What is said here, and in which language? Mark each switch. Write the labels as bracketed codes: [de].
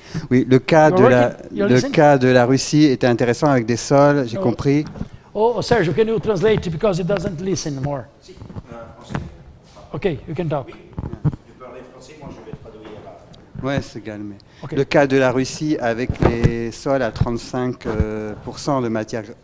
[fr] Oui, le cas de la Russie était intéressant avec des sols, j'ai compris. [en] Oh, Serge, can you translate because it doesn't listen more? [fr] Si, français. [en] Okay, you can talk. [fr] Oui, je parle français, moi je vais traduire. Ouais, c'est calmé. Okay. Le cas de la Russie avec les sols à 35% de matière organique.